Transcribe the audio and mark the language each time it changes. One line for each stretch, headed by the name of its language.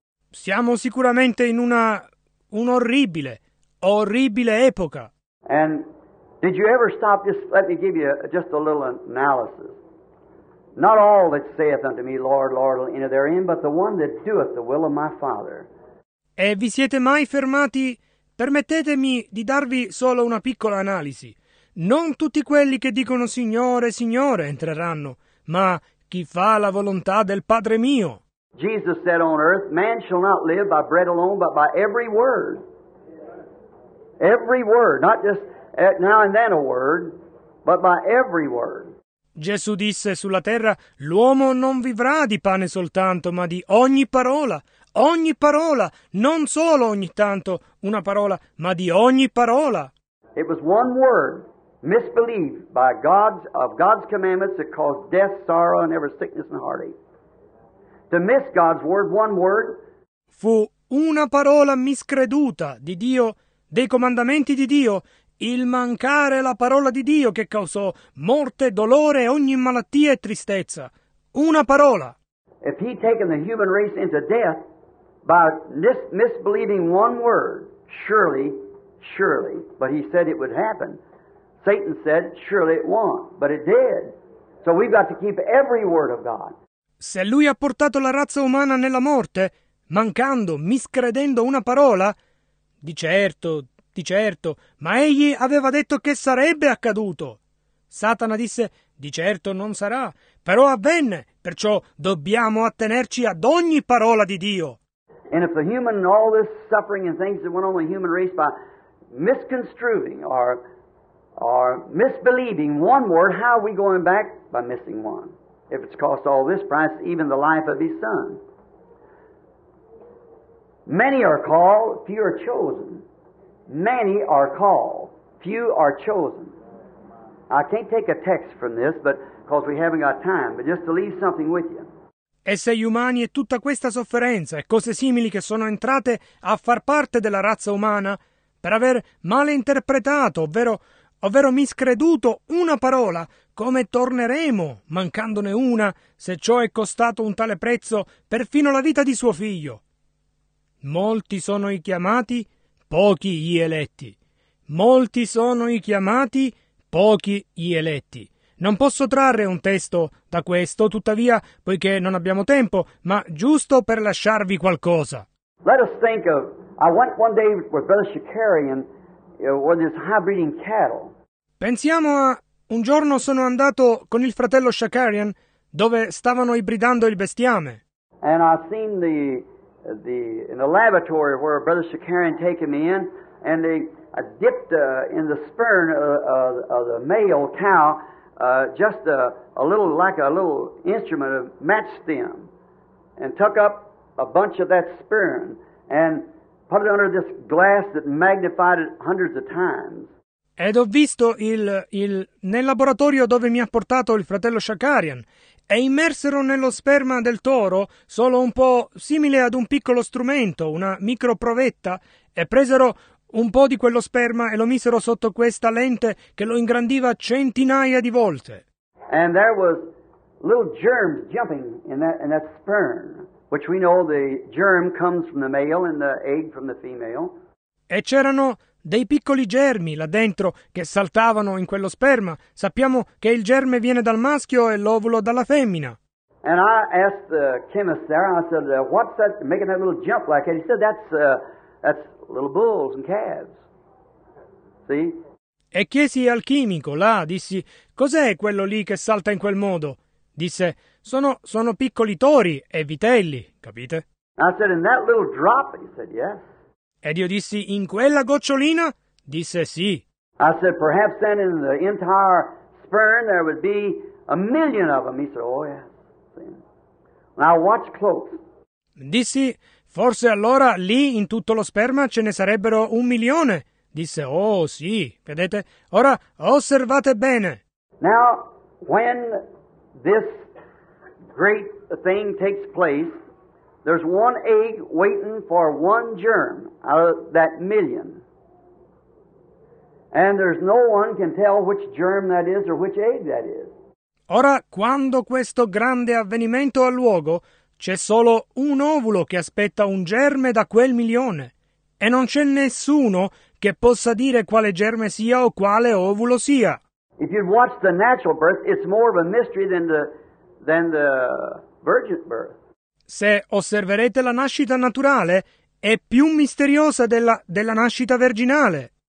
Italian: Siamo sicuramente in un'orribile epoca.
English: And did you ever stop? Just let me give you just a little analysis. Not all that saith unto me, Lord, Lord, will enter therein, but the one that doeth the will of my Father.
Italian: E vi siete mai fermati? Permettetemi di darvi solo una piccola analisi. Non tutti quelli che dicono Signore, Signore entreranno, ma chi fa la volontà del Padre mio.
English: Jesus said on earth, man shall not live by bread alone, but by every word. Every word, not just now and then a word, but by every word.
Italian: Gesù disse sulla terra, l'uomo non vivrà di pane soltanto, ma di ogni parola, non solo ogni tanto una parola, ma di ogni parola.
English: It was one word, misbelief, by God's, of God's commandments that caused death, sorrow, and every sickness and heartache. To miss God's word, one word.
Italian: Fu una parola miscreduta di Dio, dei comandamenti di Dio, il mancare la parola di Dio che causò morte, dolore, ogni malattia e tristezza. Una parola.
English: If he'd taken the human race into death by misbelieving one word, surely, surely, but he said it would happen. Satan said, surely it won't, but it did. So we've got to keep every word of God.
Italian: Se lui ha portato la razza umana nella morte, mancando, miscredendo una parola, di certo, ma egli aveva detto che sarebbe accaduto. Satana disse, di certo non sarà, però avvenne, perciò dobbiamo attenerci ad ogni parola di Dio.
English: And if the human, all this suffering and things that went on the human race by misconstruing or misbelieving one word, how are we going back? By missing one. If it's cost all this price, even the life of his son. Many are called, few are chosen. Many are called, few are chosen. I can't take a text from this, but because we haven't got time, but just to leave something with you.
Italian: E se gli umani e tutta questa sofferenza e cose simili che sono entrate a far parte della razza umana per aver male interpretato, ovvero miscreduto una parola, come torneremo mancandone una se ciò è costato un tale prezzo perfino la vita di suo figlio? Molti sono i chiamati, pochi gli eletti. Molti sono i chiamati, pochi gli eletti. Non posso trarre un testo da questo, tuttavia, poiché non abbiamo tempo, ma giusto per lasciarvi qualcosa.
English: Let us think of, I went one day with Brother Shikari and with his high-breeding cattle.
Italian: Pensiamo a un giorno sono andato con il fratello Shakarian dove stavano ibridando il bestiame.
English: And I seen the in the laboratory where Brother Shakarian taken me in, and they dipped in the sperm of the male cow just a little, like a little instrument of match stem, and took up a bunch of that sperm and put it under this glass that magnified it hundreds of times.
Italian: Ed ho visto nel laboratorio dove mi ha portato il fratello Shakarian, e immersero nello sperma del toro solo un po' simile ad un piccolo strumento, una microprovetta, e presero un po' di quello sperma e lo misero sotto questa lente che lo ingrandiva centinaia di volte.
English: And there was little germs jumping in that sperm, which we know the germ comes from the male and the egg from the female.
Italian: E c'erano dei piccoli germi là dentro che saltavano in quello sperma. Sappiamo che il germe viene dal maschio e l'ovulo dalla femmina.
English: And I asked the chemist there, I said, what's that making that little jump like? And he said, that's little bulls and calves. See?
Italian: E chiesi al chimico là, dissi, cos'è quello lì che salta in quel modo? Disse, sono piccoli tori e vitelli, capite?
English: I said, in that little drop? He said, yes.
Italian: Ed io dissi, in quella gocciolina? Disse, sì.
English: I said, perhaps then in the entire sperm there would be a million of them. He said, oh yes. And I watched close.
Italian: Dissi, forse allora lì in tutto lo sperma ce ne sarebbero un milione. Disse, oh sì, vedete? Ora osservate bene.
English: Now, when this great thing takes place, there's one egg waiting for one germ out of that million. And there's no one can tell which germ that is or which egg that is.
Italian: Ora, quando questo grande avvenimento ha luogo, c'è solo un ovulo che aspetta un germe da quel milione. E non c'è nessuno che possa dire quale germe sia o quale ovulo sia.
English: If you'd watch the natural birth, it's more of a mystery than the than the virgin birth.
Italian: Se osserverete la nascita naturale, è più misteriosa della nascita virginale.